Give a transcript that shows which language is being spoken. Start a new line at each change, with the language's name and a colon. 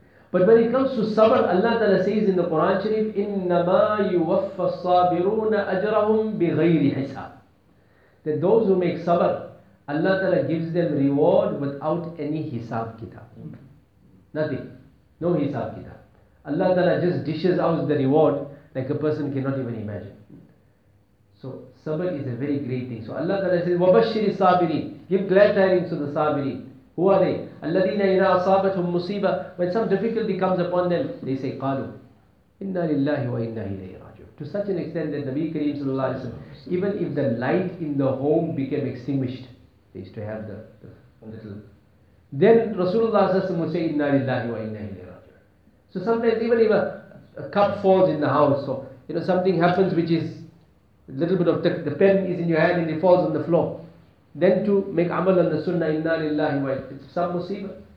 English: But when it comes to sabr, Allah Ta'ala says in the Quran Sharif,
Arabic: إِنَّمَا يُوَفَّ الصَّابِرُونَ أَجْرَهُمْ بِغَيْرِ حِسَابٍ,
English: that those who make sabr, Allah Ta'ala gives them reward without any hisab kitab. Nothing. No hisab kitab. Allah Ta'ala just dishes out the reward like a person cannot even imagine. So sabr is a very great thing. So Allah Ta'ala says,
Arabic: وَبَشِّرِ الصَّابِرِينَ,
English: give glad tidings to the sabirin. Who are they?
Arabic: الَّذِينَ إِذَا أَصَابَتْهُمْ مُصِيبَةٌ,
English: when some difficulty comes upon them, they say,
Arabic: قَالُوا إِنَّا لِلَّهِ وَإِنَّا إِلَيْهِ رَاجِعُونَ.
English: To such an extent that Nabi Kareem sallallahu alayhi wa sallam, even if the light in the home became extinguished, they used to have the little, then Rasulullah sallallahu alayhi wa sallam would say,
Arabic: إِنَّا لِلَّهِ وَإِنَّا إِلَيْهِ رَاجِعُونَ.
English: So sometimes even if a cup falls in the house, so you know something happens which is a little bit of the pen is in your hand and it falls on the floor, then to make amal on the sunnah,
Arabic: inna lillahi wa inna ilayhi raji'un.
English: It's some musibah.